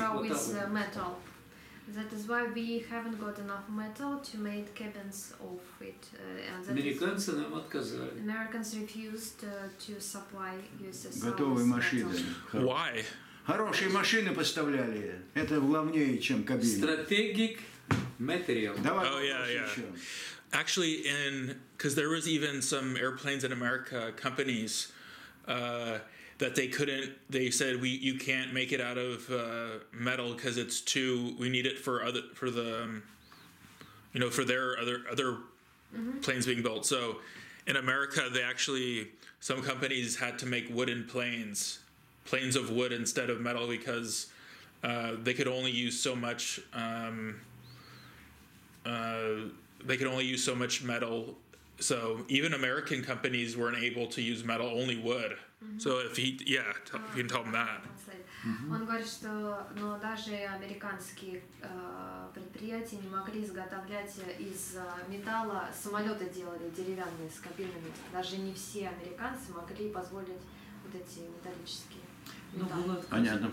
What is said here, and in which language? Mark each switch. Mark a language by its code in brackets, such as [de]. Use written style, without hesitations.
[ru] хватало. [en] That is why we haven't got enough metal to make cabins of it. [ru] Американцы нам отказали. [en] Americans refused to supply USSR. [ru] Готовые машины. [en] Why? [ru] Хорошие машины поставляли. Это главнее, чем кабины. [en] Strategic material. [ru] Давай еще. [en] Actually, because there was even some airplanes in America, companies that they couldn't, they said, you can't make it out of metal because it's too, we need it for their other mm-hmm. planes being built. So in America, they actually, some companies had to make wooden planes of wood instead of metal because they could only use so much metal, so even American companies weren't able to use metal, only wood. Mm-hmm. So if he, yeah, tell, if you can tell him that. Mm-hmm. [ru] Он говорит, что, но даже американские предприятия не могли изготовлять из металла самолеты, делали деревянные с кабинами. Даже не все американцы могли позволить вот эти металлические. Ну, понятно.